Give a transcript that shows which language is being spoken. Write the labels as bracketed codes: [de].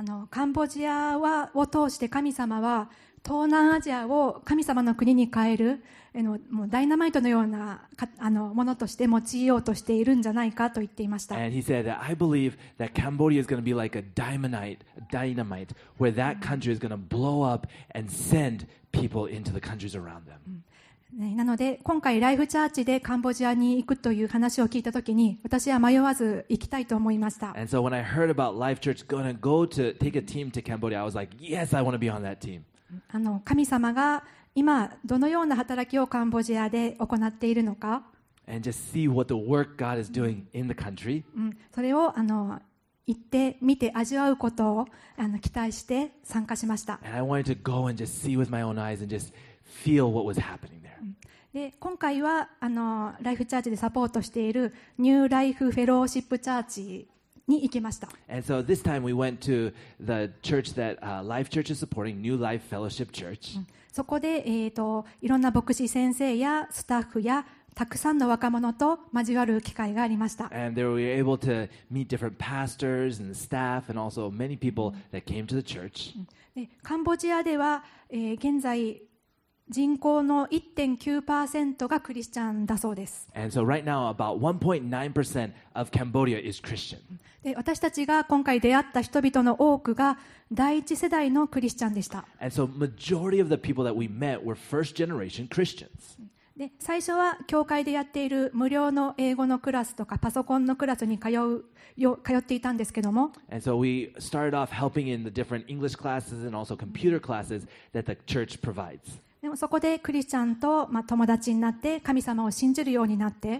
[ja] カンボジアはを通して神様は東南アジアを神様の国に変えるもうダイナマイトのようなものとして用いようとしているんじゃないかと言っていました。 [en] And he said that I believe that Cambodia is going to be like a dynamite, where that country is going to blow up and send people into the countries around them. [ja] なので今回ライフチャーチでカンボジアに行くという話を聞いたときに私は迷わず行きたいと思いました。 [en] And so when I heard about Life Church going to go to take a team to Cambodia, I was like, yes, I want to be on that team. [ja] 神様が今どのような働きをカンボジアで行っているのか。 [en] And just see what the work God is doing in the country. [ja] それを行ってみて味わうことを期待して参加しました。 [en] And I wanted to go and just see with my own eyes and just feel what was happening. [ja] で今回はライフチャーチでサポートしているニューライフフェローシップチャーチに行きました。 [en] And so this time we went to the church that Life Church is supporting, New Life Fellowship Church. [ja] そこでいろんな牧師先生やスタッフやたくさんの若者と交わる機会がありました。 [en] And there we were able to meet different pastors and staff and also many people that came to the church. [ja] でカンボジアでは、現在人口の 1.9% がクリスチャンだそうです。 [en] And so right now about 1.9% of Cambodia is Christian. [ja] で、私たちが今回出会った人々の多くが第一世代のクリスチャンでした。 [en] And so majority of the people that we met were first generation Christians. [ja] で、最初は教会でやっている無料の英語のクラスとかパソコンのクラスに通っていたんですけども。 [en] And so we started off helping in the different English classes and also computer classes that the church provides. [ja] でもそこでクリスチャンと友達になって神様を信じるようになって。